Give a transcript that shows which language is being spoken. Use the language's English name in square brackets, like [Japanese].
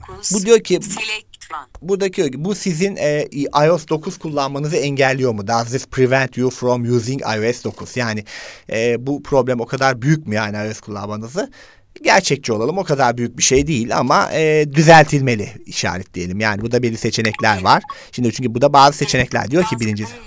[Turkish] Bu diyor ki, buradaki diyor ki, bu sizin iOS 9 kullanmanızı engelliyor mu? [English] Does this prevent you from using iOS 9? [Turkish] Yani bu problem o kadar büyük mü yani iOS kullanmanızı? Gerçekçi olalım, o kadar büyük bir şey değil ama düzeltilmeli işaretleyelim. Yani burada belli seçenekler var. Şimdi çünkü bu da bazı seçenekler diyor ki birinci.